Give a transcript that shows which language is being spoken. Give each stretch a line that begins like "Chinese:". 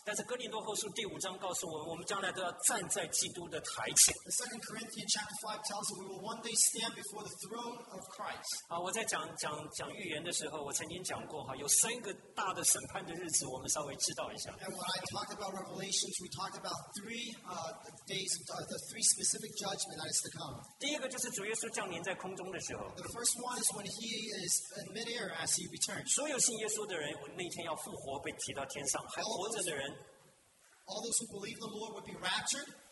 Chinese: 但是哥林多后书第五章告诉我们，我们将来都要站在基督的台前。The
English: 2 Corinthians chapter 5 tells us we will one day stand before the throne of Christ.
Chinese: 我在讲预言的时候，我曾经讲过，有三个大的审判的日子，我们稍微知道一下。
English: And when I talked about Revelations, we talked about three specific judgments that is to come.
Chinese: 第一个就是主耶稣降临在空中的时候。
English: The first one is when he is in midair as he returns.
Chinese: 所有信耶稣的人那天要复活被提到天上，还活着的人。
English: All those who believe the Lord would be raptured.